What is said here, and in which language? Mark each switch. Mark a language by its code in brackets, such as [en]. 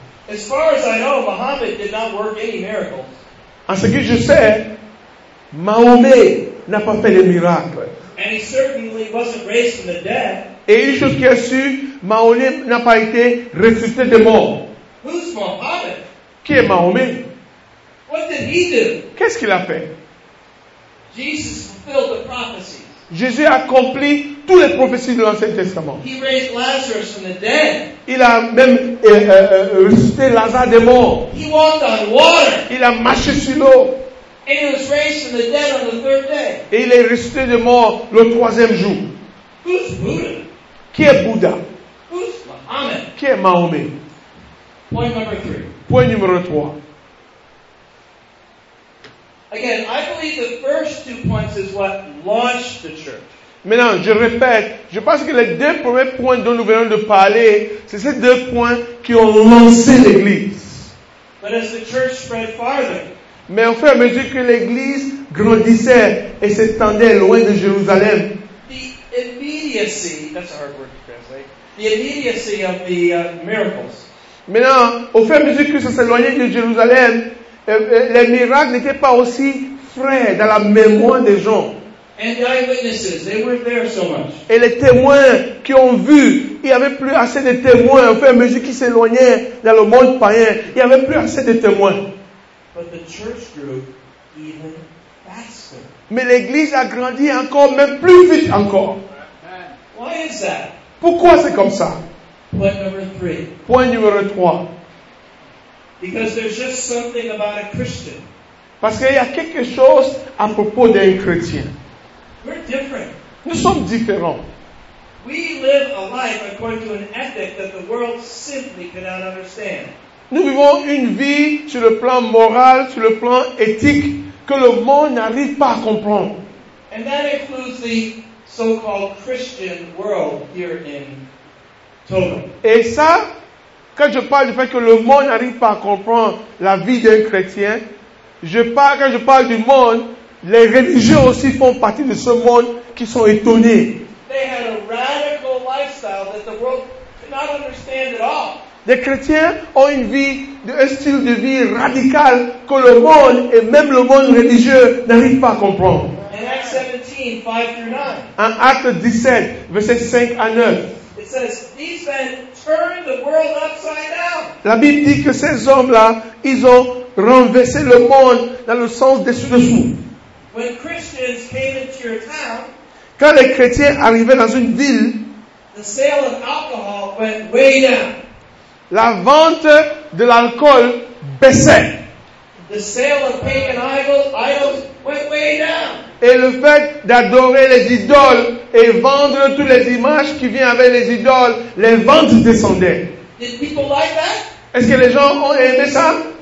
[en] As far as I know, Muhammad did not work any miracles. [fr] En ce que je sais, Mahomet n'a pas fait de miracles. [en] And he certainly wasn't raised from the dead. [fr] Et une chose qui est sûre, Mahomet n'a pas été ressuscité des morts. [en] Who's Mohammed? [fr] Qui est Mahomet? [en] What did he do? [fr] Qu'est-ce qu'il a fait? [en] Jesus fulfilled the prophecies. [fr] Jésus a accompli toutes les prophéties de l'Ancien Testament. [en] He raised Lazarus from the dead. [fr] Il a même ressuscité Lazare des morts. [en] He walked on water. [fr] Il a marché sur l'eau. [en] And he was raised from the dead on the third day. [fr] Et il est ressuscité des morts le troisième jour. [en] Who's Buddha? [fr] Qui est Bouddha? [en] Who's Mohammed? [fr] Qui est Mahomet? [en] Point number three. [fr] Point numéro 3. [en] Again, I believe the first two points is what launched the church. [fr] Maintenant, je répète, je pense que les deux premiers points dont nous venons de parler, c'est ces deux points qui ont lancé l'Église. [en] But as the church spread farther, [fr] mais au fur et à mesure que l'Église grandissait et s'étendait loin de Jérusalem, [en] the immediacy, that's a hard word to translate, the immediacy of the miracles. [fr] Maintenant, au fur et à mesure que ça s'éloignait de Jérusalem, les miracles n'étaient pas aussi frais dans la mémoire des gens. [en] And the eyewitnesses, they weren't there so much. [fr] Et les témoins qui ont vu, il n'y avait plus assez de témoins. Au fur et à mesure qu'ils s'éloignaient dans le monde païen, il n'y avait plus assez de témoins. [en] But the church grew even faster. [fr] Mais l'église a grandi encore, même plus vite encore. [en] Why is that? [fr] Pourquoi c'est comme ça? [en] Point number three. [fr] Point numéro 3. [en] Because there's just something about a Christian. [fr] Parce qu'il y a quelque chose à propos d'un chrétien. [en] We're different. [fr] Nous sommes différents. [en] We live a life according to an ethic that the world simply cannot understand. [fr] Nous vivons une vie sur le plan moral, sur le plan éthique, que le monde n'arrive pas à comprendre. [en] And that includes the so-called Christian world here in Togo. [fr] Et ça, quand je parle du fait que le monde n'arrive pas à comprendre la vie d'un chrétien, quand je parle du monde, les religieux aussi font partie de ce monde qui sont étonnés. [en] They had a radical lifestyle that the world could not understand at all. [fr] Les chrétiens ont une vie, un style de vie radical que le monde et même le monde religieux n'arrive pas à comprendre. [en] In Acts 17, 5 through 9, [fr] en Actes 17, versets 5 à 9, [en] it says, these men turned the world upside down. [fr] La Bible dit que ces hommes-là, ils ont renversé le monde dans le sens dessus-dessous. [en] When Christians came into your town, [fr] quand les chrétiens arrivaient dans une ville, [en] the sale of alcohol went way down. [fr] La vente de l'alcool baissait. [en] The sale of pagan idols went way down. [fr] Et le fait d'adorer les idoles et vendre toutes les images qui viennent avec les idoles, les ventes descendaient. [en] Did people like that? [fr] Est-ce que les gens ont aimé ça?